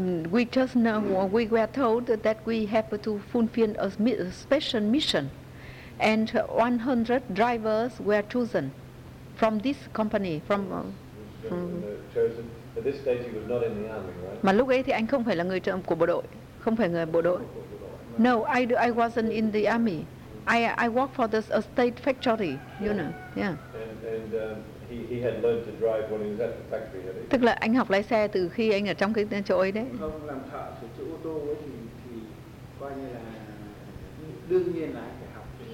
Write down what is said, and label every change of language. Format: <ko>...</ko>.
<en>We just know, we were told that we have to fulfill a special mission, and 100 drivers were chosen from this company. Chosen. At this stage, he was not in the army, right?</en> <vi>Mà lúc ấy thì anh không phải là người của bộ đội, không phải người bộ đội.</vi> <en>No, I wasn't in the army. I worked for this a state factory, you know. Yeah. He had learned to drive when he was at the factory, had he?</en> <vi>Tức là anh học lái xe từ khi anh ở trong cái chỗ ấy đấy. Không, làm thợ chỗ ô tô ấy thì coi như là đương nhiên là anh phải học</vi>